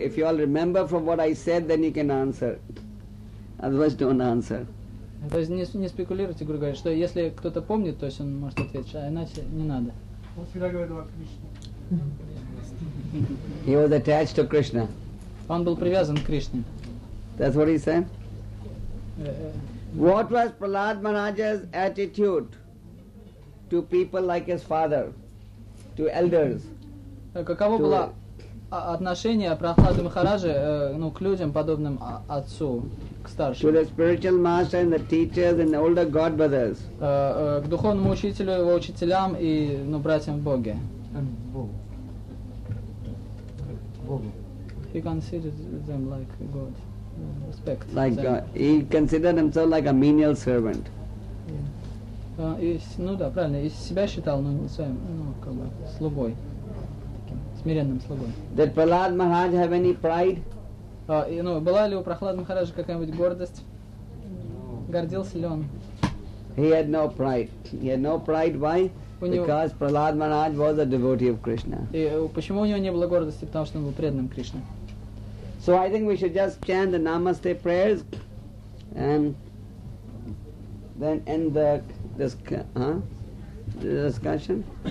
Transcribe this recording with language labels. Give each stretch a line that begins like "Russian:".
English: If you all remember from what I said, then you can answer. Otherwise, don't answer.
Russian: То есть не спекулируйте, Гуру говорит, что если кто-то помнит, то есть он может ответить, а иначе не надо. Он всегда говорил о Кришне.
English: He was attached to Krishna.
Russian: Он был привязан к Кришне.
English: That's what he said. What was Prahlad Maharaj's attitude to people like his father, to elders?
Russian: Каково было отношение Прахлады Махараджи к людям, подобным отцу?
English: To the spiritual master and the teachers and the older god brothers.
Russian: К духовному учителю, его учителям и братьям в Боге.
English: He considered them like God. Respect. Like God. He considered himself like a menial servant.
Russian: Правильно. И себя считал, своим, слугой. Таким смиренным слугой.
English: Did Prahlad Maharaj have any pride?
Russian: Была ли у Прахлады Махараджи какая-нибудь гордость? No. Гордился ли он?
English: He had no pride. He had no pride. Why? Because Prahlad Maharaj was a devotee of Krishna.
Russian: И почему у него не было гордости? Потому что он был преданным Кришне.
English: So I think we should just chant the Namaste prayers and then end the discussion.